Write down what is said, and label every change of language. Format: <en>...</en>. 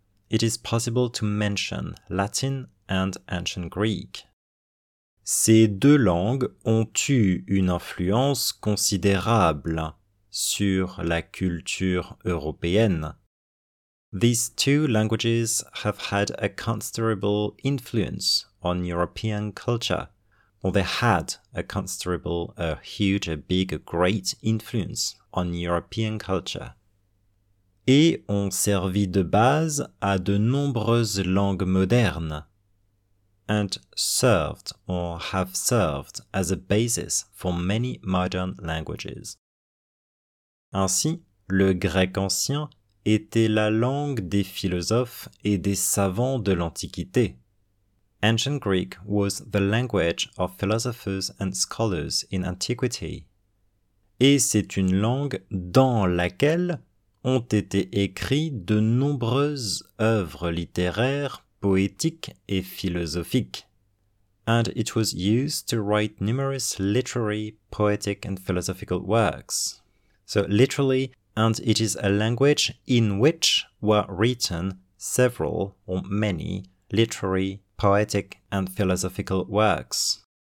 <en>It is possible to mention Latin and ancient Greek.</en> <fr>Ces deux langues ont eu une influence considérable sur la culture européenne.</fr> <en>These two languages have had a considerable influence on European culture, or they had a considerable, a huge, a big, a great influence on European culture.</en> <fr>Et ont servi de base à de nombreuses langues modernes,</fr> <en>and served or have served as a basis for many modern languages.</en> <fr>Ainsi, le grec ancien était la langue des philosophes et des savants de l'Antiquité.</fr> <en>Ancient Greek was the language of philosophers and scholars in antiquity.</en> <fr>Et c'est une langue dans laquelle ont été écrites de nombreuses œuvres littéraires, poétiques et philosophiques.</fr> <en>And it was used to write numerous literary, poetic and philosophical works. So, literally, and it is a language in which were written several or many literary, poetic and philosophical works.</en>